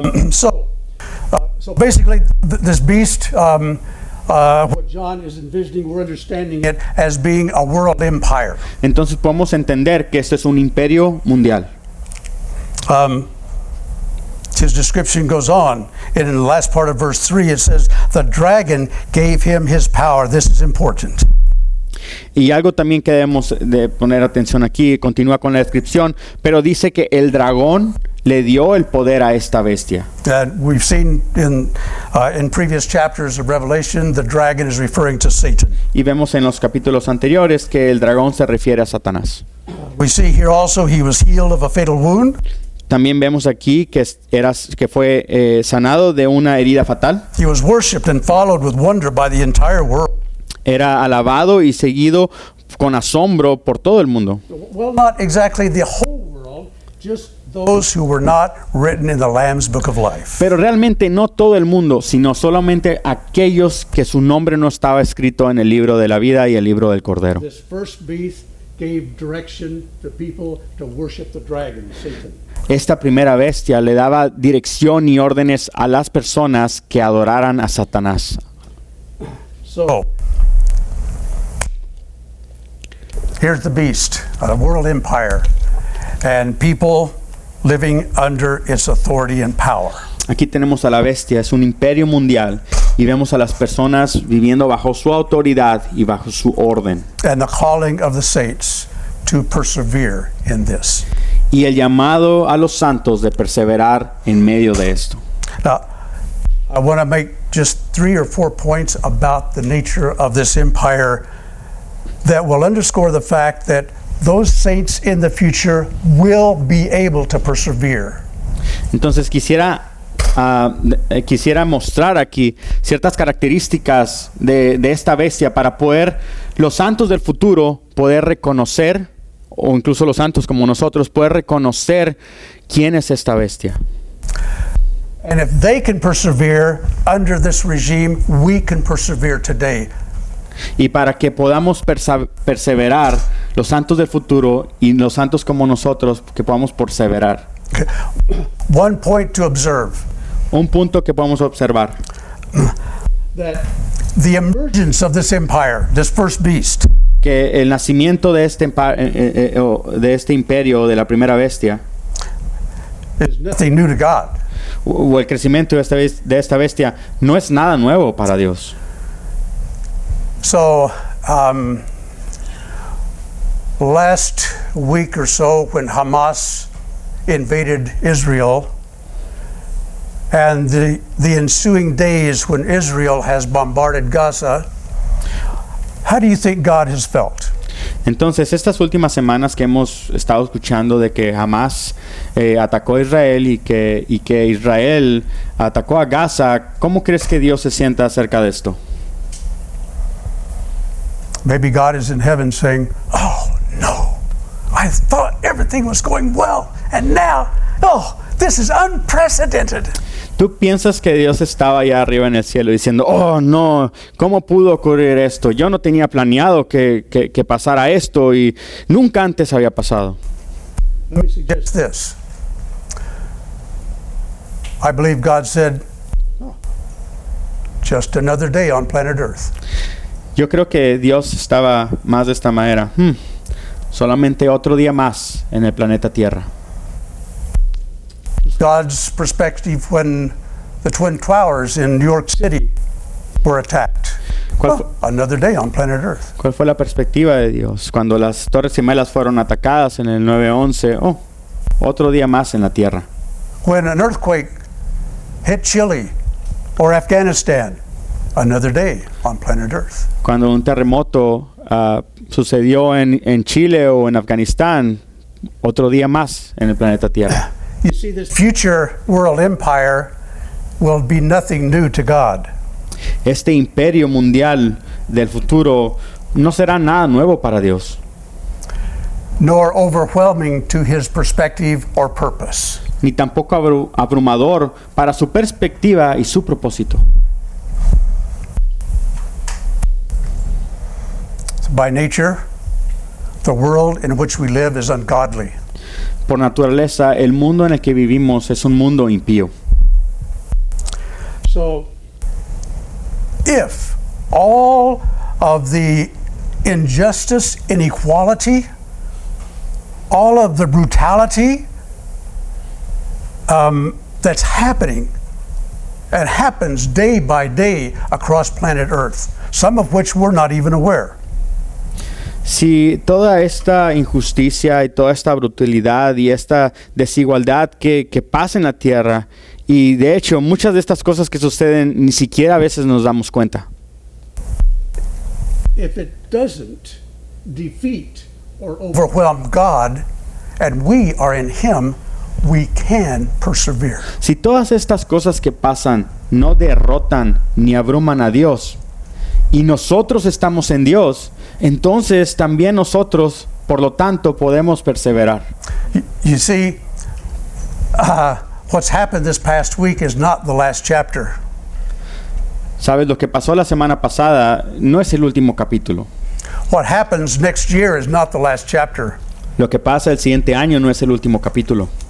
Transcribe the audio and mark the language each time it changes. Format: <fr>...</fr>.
<en>So basically, this beast what John is envisioning, we're understanding it as being a world empire.</en> <es>Entonces podemos entender que esto es un imperio mundial.</es> <en>His description goes on. And in the last part of verse 3, it says, the dragon gave him his power. This is important.</en> <es>Y algo también que debemos de poner atención aquí, continúa con la descripción, pero dice que el dragón le dio el poder a esta bestia.</es> <en>We've seen in previous chapters of Revelation, the dragon is referring to Satan.</en> <es>Y vemos en los capítulos anteriores que el dragón se refiere a Satanás.</es> <en>We see here also he was healed of a fatal wound.</en> <es>También vemos aquí que era, que fue sanado de una herida fatal.</es> <en>He was worshipped and followed with wonder by the entire world.</en> <es>Era alabado y seguido con asombro por todo el mundo.</es> <en>Well, not exactly the whole world, just those who were not written in the Lamb's Book of Life.</en> <es>Pero realmente no todo el mundo, sino solamente aquellos que su nombre no estaba escrito en el libro de la vida y el libro del Cordero.</es> <en>This first beast gave direction to people to worship the dragon, Satan.</en> <es>Esta primera bestia le daba dirección y órdenes a las personas que adoraran a Satanás.</es> <en>So, here's the beast, a world empire, and people living under its authority and power.</en> <es>Aquí tenemos a la bestia, es un imperio mundial, y vemos a las personas viviendo bajo su autoridad y bajo su orden.</es> <en>And the calling of the saints to persevere in this.</en> <es>Y el llamado a los santos de perseverar en medio de esto.</es> <en>Now, I want to make just three or four points about the nature of this empire that will underscore the fact that those saints in the future will be able to persevere.</en> <es>Entonces quisiera quisiera mostrar aquí ciertas características de esta bestia para poder los santos del futuro poder reconocer, o incluso los santos como nosotros poder reconocer quién es esta bestia.</es> <en>And if they can persevere under this regime, we can persevere today.</en> <es>Y para que podamos perseverar los santos del futuro y los santos como nosotros que podamos perseverar.</es> <en>One point to observe.</en> <es>Un punto que podemos observar.</es> <en>That the emergence of this empire, this first beast,</en> <es>que el nacimiento de este imperio de la primera bestia</es> <en>is nothing new to God.</en> <es>O el crecimiento de esta bestia no es nada nuevo para Dios.</es> <en>So, last week or so, when Hamas invaded Israel, and the ensuing days when Israel has bombarded Gaza, how do you think God has felt?</en> <es>Entonces, estas últimas semanas que hemos estado escuchando de que Hamas atacó a Israel y que Israel atacó a Gaza, ¿cómo crees que Dios se sienta acerca de esto?</es> <en>Maybe God is in heaven saying, oh no, I thought everything was going well, and now, oh, this is unprecedented.</en> <es>¿Tú piensas que Dios estaba allá arriba en el cielo diciendo, oh no, cómo pudo ocurrir esto? Yo no tenía planeado que pasara esto y nunca antes había pasado.</es> <en>Let me suggest this. I believe God said, just another day on planet Earth.</en> <es>Yo creo que Dios estaba más de esta manera. Solamente otro día más en el planeta Tierra.</es> <en>God's perspective when the Twin Towers in New York City were attacked. Another day on planet Earth.</en> <es>¿Cuál fue la perspectiva de Dios cuando las Torres Gemelas fueron atacadas en el 9/11? Oh, otro día más en la Tierra.</es> <en>When an earthquake hit Chile or Afghanistan. Another day on planet Earth.</en> <es>Cuando un terremoto sucedió en Chile o en Afganistán, otro día más en el planeta Tierra.</es> <en>You see, this future world empire will be nothing new to God.</en> <es>Este imperio mundial del futuro no será nada nuevo para Dios.</es> <en>Nor overwhelming to his perspective or purpose.</en> <es>Ni tampoco abrumador para su perspectiva y su propósito.</es> <en>By nature, the world in which we live is ungodly.</en> <es>Por naturaleza, el mundo en el que vivimos es un mundo impío.</es> <en>So, if all of the injustice, inequality, all of the brutality that's happening and happens day by day across planet Earth, some of which we're not even aware.</en> <es>Si toda esta injusticia y toda esta brutalidad y esta desigualdad que pasa en la Tierra, y de hecho muchas de estas cosas que suceden ni siquiera a veces nos damos cuenta.</es> <en>If it doesn't defeat or overwhelm God and we are in Him, we can persevere.</en> <es>Si todas estas cosas que pasan no derrotan ni abruman a Dios, y nosotros estamos en Dios, entonces también nosotros, por lo tanto, podemos perseverar.</es> <en>You see, what's happened this past week is not the last chapter.</en> <es>Sabes, lo que pasó la semana pasada no es el último capítulo.</es> <en>What happens next year is not the last chapter.</en> <es>Lo que pasa el siguiente año no es el último capítulo.</es>